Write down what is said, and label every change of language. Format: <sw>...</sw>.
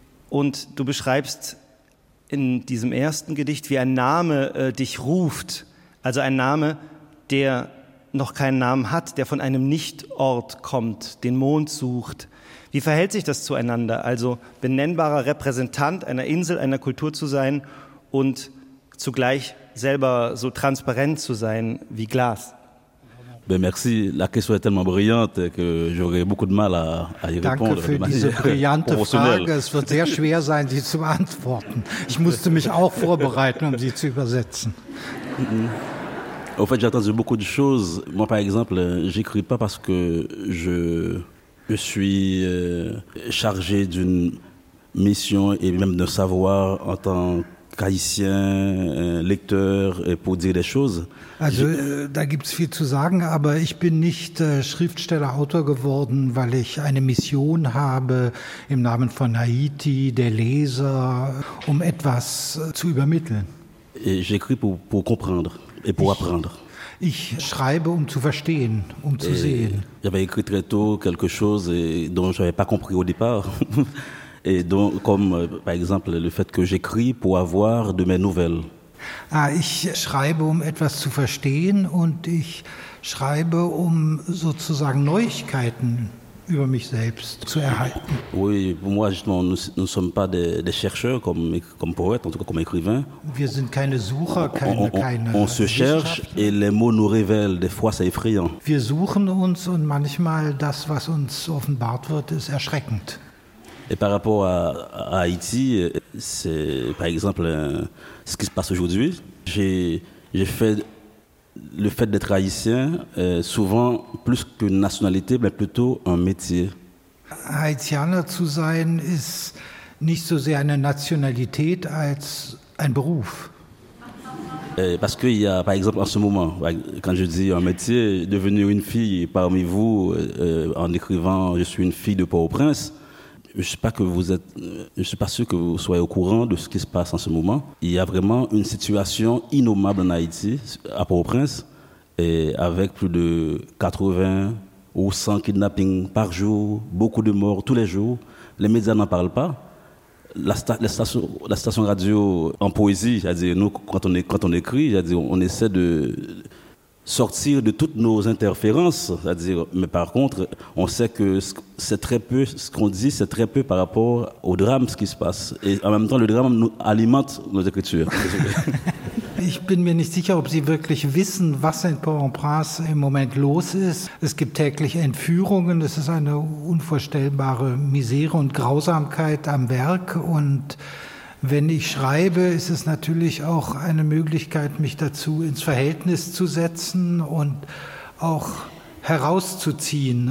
<de>Und du beschreibst in diesem ersten Gedicht, wie ein Name dich ruft, also ein Name, der noch keinen Namen hat, der von einem Nichtort kommt, den Mond sucht. Wie verhält sich das zueinander, also benennbarer Repräsentant einer Insel, einer Kultur zu sein und zugleich selber so transparent zu sein wie Glas?</de> <fr>Ben merci, la question est tellement brillante que j'aurais beaucoup de mal à y répondre.</fr> <de>Danke für diese brillante Frage. Es wird sehr schwer sein, sie zu beantworten. Ich musste mich auch vorbereiten, um sie zu übersetzen.</de> <fr>En fait, j'ai entendu beaucoup de choses. Moi, par exemple, j'écris pas parce que je suis chargé d'une mission et même d'un savoir en tant qu'haïtien, lecteur, pour dire des choses.</fr> <de>Also, da gibt es viel zu sagen, aber ich bin nicht Schriftsteller, Autor geworden, weil ich eine Mission habe im Namen von Haiti, der Leser, um etwas zu übermitteln.</de> <fr>Et j'écris pour comprendre et pour apprendre.</fr> <de>Ich schreibe, um zu verstehen, um zu sehen.</de> <fr>J'avais écrit très tôt quelque chose et dont je n'avais pas compris au départ. Et donc, comme par exemple le fait que j'écris pour avoir de mes nouvelles.</fr> <de>Ah, ich schreibe, um etwas zu verstehen, und ich schreibe, um sozusagen Neuigkeiten über mich selbst zu erhalten.</de> <fr>Oui, pour moi, justement, nous ne sommes pas des chercheurs, comme poète, en tout cas comme écrivain.</fr> <de>Wir sind keine Sucher, keine</de> <fr>On se cherche et les mots nous révèlent, des fois c'est effrayant.</fr> <de>Wir suchen uns, und manchmal das, was uns offenbart wird, ist erschreckend.</de> <fr>Et par rapport à Haïti, c'est par exemple ce qui se passe aujourd'hui. J'ai fait le fait d'être haïtien souvent plus qu'une nationalité, mais plutôt un métier.</fr> <de>Haïtianer zu sein ist nicht so sehr eine Nationalität als ein Beruf.</de> <fr>Parce qu'il y a, par exemple, en ce moment, quand je dis un métier, devenir une fille parmi vous en écrivant « Je suis une fille de Port-au-Prince », je ne suis pas sûr que vous soyez au courant de ce qui se passe en ce moment. Il y a vraiment une situation innommable en Haïti, à Port-au-Prince, et avec plus de 80 ou 100 kidnappings par jour, beaucoup de morts tous les jours. Les médias n'en parlent pas. La station radio en poésie, c'est-à-dire nous, quand on écrit, c'est-à-dire on essaie de sortir de toutes nos interférences, c'est-à-dire, mais par contre, on sait que c'est très peu, ce qu'on dit, c'est très peu par rapport au drame, ce qui se passe. Et en même temps, le drame nous alimente nos écritures.</fr> <de>Ich bin mir nicht sicher, ob Sie wirklich wissen, was in Port-au-Prince im Moment los ist. Es gibt täglich Entführungen, es ist eine unvorstellbare Misere und Grausamkeit am Werk, und Wenn ich schreibe, ist es natürlich auch eine Möglichkeit, mich dazu ins Verhältnis zu setzen und auch herauszuziehen.</de>